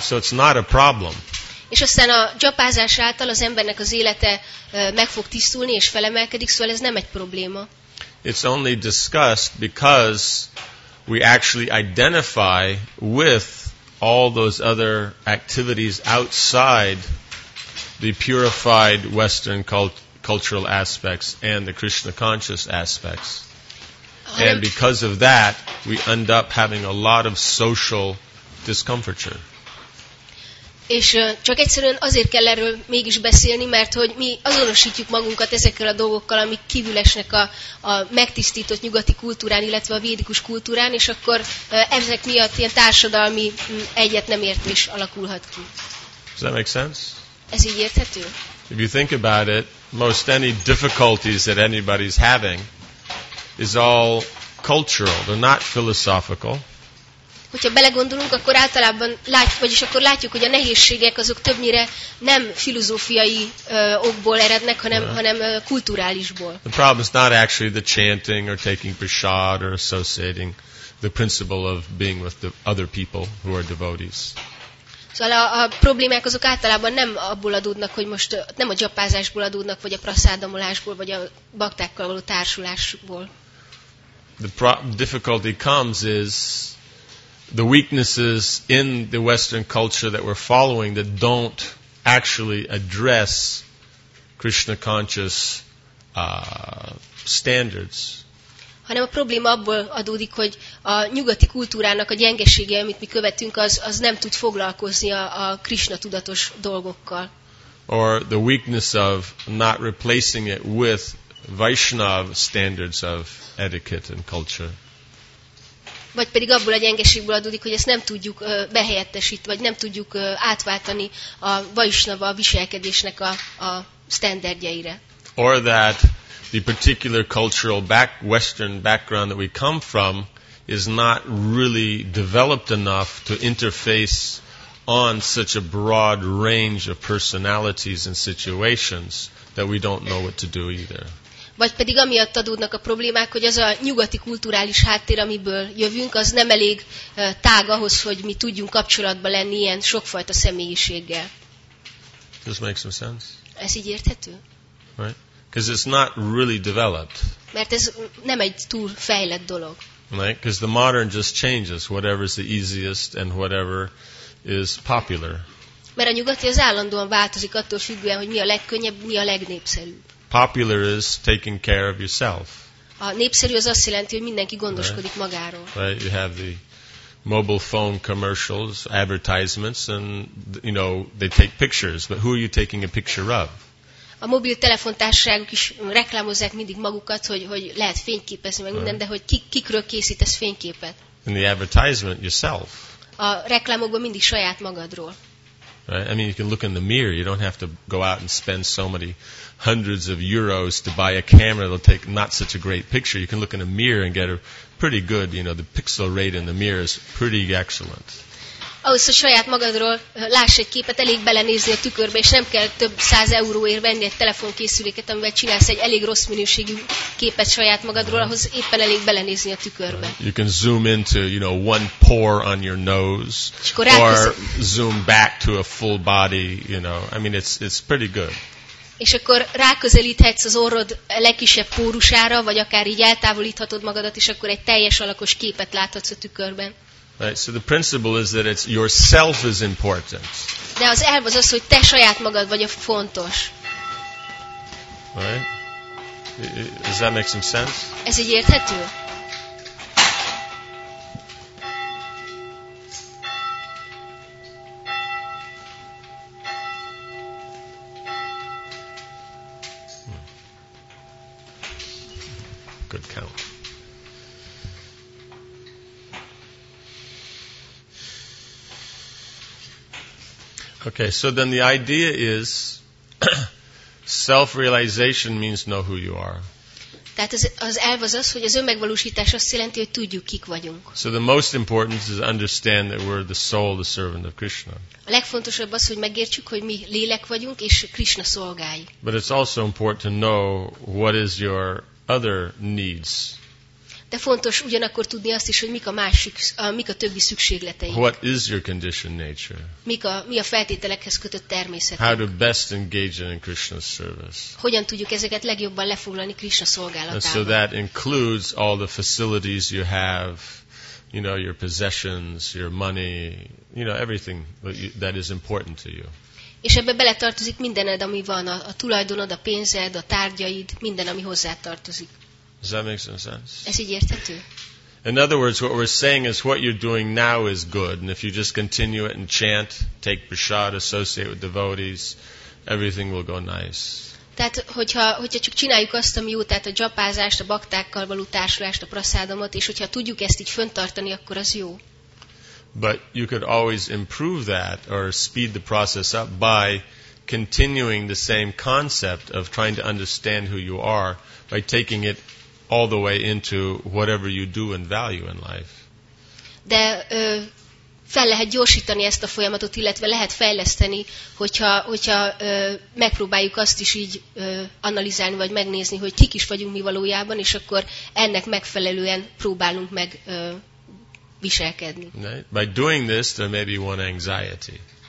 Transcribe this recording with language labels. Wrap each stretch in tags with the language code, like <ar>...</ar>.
<en>So it's not a problem.</en> <hu>És aztán a japázás által az embernek az élete meg fog tisztulni és felemelkedik, szóval ez nem egy probléma.</hu> <en>It's only discussed because we actually identify with all those other activities outside the purified Western cultural aspects and the Krishna conscious aspects. And because of that, we end up having a lot of social discomfiture.</en> <hu>És csak egyszerűen azért kell erről mégis beszélni, mert hogy mi azonosítjuk magunkat ezekkel a dolgokkal, amik kívül esnek a megtisztított nyugati kultúrán, illetve a védikus kultúrán, és akkor ezek miatt ilyen társadalmi egyet nem értés alakulhat ki.</hu> <en>Does that make sense?</en> <hu>Ez így érthető?</hu> <en>If you think about it, most any difficulties that anybody's having is all cultural, they're not philosophical.</en> <hu>Hogyha belegondolunk, akkor általában látjuk, hogy a nehézségek azok többnyire nem filozófiai okból erednek, hanem kulturálisból.</hu> <en>The problem is not actually the chanting or taking prasad or associating the principle of being with the other people who are devotees.</en> <hu>Szóval a problémák azok általában nem abból adódnak, hogy most nem a japázásból adódnak, vagy a praszádamolásból, vagy a baktákkal való társulásból.</hu> <en>The difficulty comes is the weaknesses in the Western culture that we're following that don't actually address Krishna conscious standards.</en> <hu>Hanem a probléma abból adódik, hogy a nyugati kultúrának a gyengesége, amit mi követünk, az nem tud foglalkozni a Krishna tudatos dolgokkal.</hu> <en>Or the weakness of not replacing it with Vaishnava standards of etiquette and culture.</en> <hu>Vagy pedig abból a gyengeségből adódik, hogy ezt nem tudjuk behelyettesíteni, vagy nem tudjuk átváltani a Vaishnava viselkedésnek a standardjaire.</hu> <en>Or that the particular cultural Western background that we come from is not really developed enough to interface on such a broad range of personalities and situations that we don't know what to do either.</en> <hu>Vagy pedig amiatt adódnak a problémák, hogy az a nyugati kulturális háttér, amiből jövünk, az nem elég tág ahhoz, hogy mi tudjunk kapcsolatban lenni ilyen sokfajta személyiséggel.</hu> <en>This makes some sense.</en> <hu>Ez így érthető?</hu> <en>Right? Because it's not really developed.</en> <hu>Mert ez nem egy túl fejlett dolog.</hu> <en>Right? Because the modern just changes whatever is the easiest and whatever is popular.</en> <hu>Mert a nyugati az állandóan változik attól függően, hogy mi a legkönnyebb, mi a legnépszerűbb.</hu> <en>Popular is taking care of yourself.</en> <hu>A népszerű az azt jelenti, hogy mindenki gondoskodik</hu> <en>right.</en> <hu>magáról.</hu> <en>Right. You have the mobile phone commercials, advertisements, and you know they take pictures, but who are you taking a picture of?</en> <hu>A mobiltelefontársaságok is reklámozzák mindig magukat, hogy lehet fényképezni meg minden, de hogy kikről készítesz fényképet?</hu> <en>In the advertisement, yourself.</en> <hu>A reklámokban mindig saját magadról.</hu> <en>Right? I mean, you can look in the mirror. You don't have to go out and spend so many hundreds of euros to buy a camera that'll take not such a great picture. You can look in a mirror and get a pretty good, you know, the pixel rate in the mirror is pretty excellent.</en> <hu>Ahhoz, hogy saját magadról láss egy képet, elég belenézni a tükörbe, és nem kell több száz euróért venni egy telefonkészüléket, amivel csinálsz egy elég rossz minőségű képet saját magadról, ahhoz éppen elég belenézni a tükörbe.</hu> <en>You can zoom into, you know, one pore on your nose, or zoom back to a full body, you know, I mean, it's pretty good.</en> <hu>És akkor ráközelíthetsz az orrod legkisebb pórusára, vagy akár így eltávolíthatod magadat, és akkor egy teljes alakos képet láthatsz a tükörben.</hu> <en>Right, so the principle is that it's yourself is important.</en> <hu>De az elv az, hogy te saját magad vagy a fontos.</hu> <en>Right? Does that make some sense?</en> <hu>Ez így érthető?</hu> <en>Okay, so then the idea is Self-realization means know who you are.</en> <hu>Tehát az elv az az, hogy az önmegvalósítás azt jelenti, hogy tudjuk, kik vagyunk.</hu> <en>So the most important is to understand that we're the soul, the servant of Krishna.</en> <hu>A legfontosabb az, hogy megértsük, hogy mi lélek vagyunk és Krishna szolgái.</hu> <en>But it's also important to know what is your other needs.</en> <hu>De fontos ugyanakkor tudni azt is, hogy mik a másik, mik a többi szükségleteink.</hu> <en>What is your conditioned nature?</en> <hu>Mi a feltételekhez kötött természet?</hu> <en>How to best engage in Krishna's service?</en> <hu>Hogyan tudjuk ezeket legjobban lefoglalni Krishna szolgálatában?</hu> <en>And so that includes all the facilities you have, you know, your possessions, your money, you know, everything that is important to you.</en> <hu>És ebbe beletartozik mindened, ami van, a tulajdonod, a pénzed, a tárgyaid, minden, ami hozzád tartozik.</hu> <en>Does that make some sense?</en> <hu>Ez így érthető.</hu> <en>In other words, what we're saying is what you're doing now is good, and if you just continue it and chant, take prasad, associate with devotees, everything will go nice.</en> <hu>Tehát, hogyha csak csináljuk azt, ami jó, tehát a dzsapázást, a baktákkal való társulást, a praszádomot, és hogyha tudjuk ezt így fönntartani, akkor az jó.</hu> <en>But you could always improve that or speed the process up by continuing the same concept of trying to understand who you are by taking it all the way into whatever you do and value in life.</en> <hu>De fel lehet gyorsítani ezt a folyamatot, illetve lehet fejleszteni, hogyha megpróbáljuk azt is így analizálni vagy megnézni, hogy kik is vagyunk mi valójában, és akkor ennek megfelelően próbálunk meg viselkedni.</hu> <en>Right. By doing this, there may be one anxiety.</en>